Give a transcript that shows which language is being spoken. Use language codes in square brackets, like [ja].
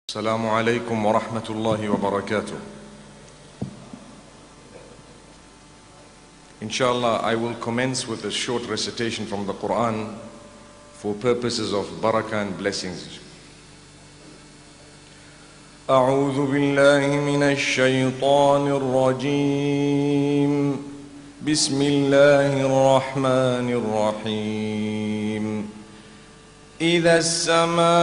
[ar] السلام عليكم ورحمة الله وبركاته. [en] Inshallah, I will commence with a short recitation from the Quran for purposes of barakah and blessings. [ar] أعوذ بالله من الشيطان الرجيم بسم الله الرحمن الرحيم إذا السماء